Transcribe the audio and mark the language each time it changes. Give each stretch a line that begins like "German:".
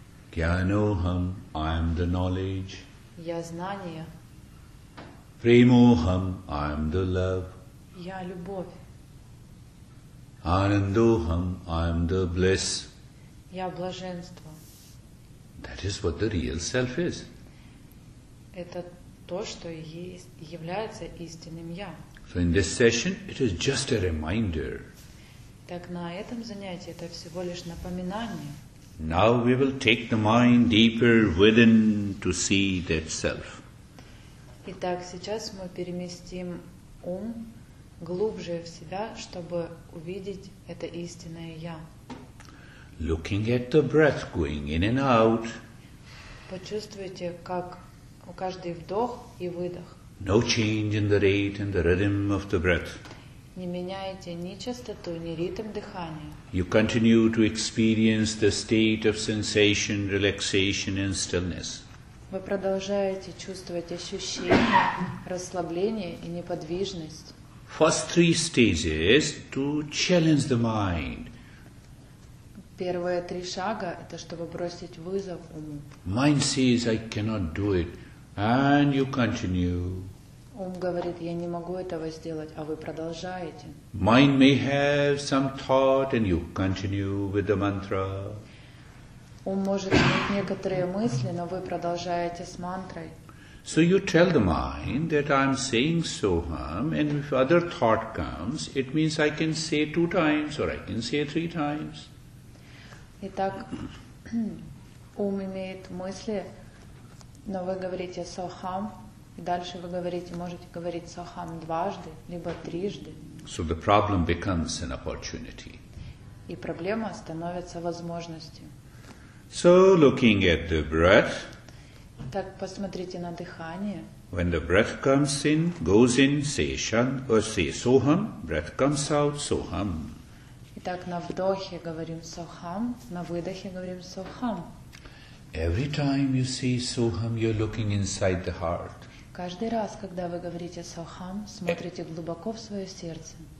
English: Gyanoham, I am the knowledge.
Russian: Я знание.
English: Premoham, I am the love.
Russian: Я любовь.
English: Anandoham, I am the bliss.
Russian: Я блаженство.
English: That is what the real self is.
Russian: Это то, что является истинным я.
English: So in this session, it is just a reminder.
Russian: Так на этом занятии это всего лишь напоминание.
English: Now we will take the mind deeper within to see that self.
Russian: Итак, сейчас мы переместим ум глубже в себя, чтобы увидеть это истинное я.
English: Looking at the breath going in and out.
Russian: Почувствуйте, как у каждый вдох и выдох.
English: No change in the rate and the rhythm of the breath.
Russian: Не меняете ни частоту, ни ритм дыхания.
English: You continue to experience the state of sensation, relaxation and stillness.
Russian: Вы продолжаете чувствовать ощущение, расслабление и неподвижность.
English: First three stages to challenge the mind.
Russian: Первые три шага это чтобы бросить вызов уму.
English: Mind says I cannot do it, and you continue.
Russian: Ум говорит я не могу этого сделать, а вы продолжаете.
English: Mind may have some thought, and you continue with the mantra.
Russian: Ум может иметь некоторые мысли, но вы продолжаете с мантрой.
English: So you tell the mind that I'm saying soham, and if other thought comes, it means I can say two times or I can say three times.
Russian: Итак, ум имеет мысли, но вы говорите soham, и дальше вы говорите, можете говорить soham дважды, либо трижды.
English: So the problem becomes an opportunity.
Russian: И проблема становится возможностью.
English: So looking at the breath.
Russian: Так посмотрите на дыхание.
English: When the breath comes in, goes in, say shan or say soham. Breath comes out, soham.
Russian: Итак, на вдохе говорим soham, на выдохе говорим soham.
English: Every time you say soham, you're looking inside the heart.
Russian: Каждый раз, когда вы говорите soham, смотрите глубоко в свое сердце.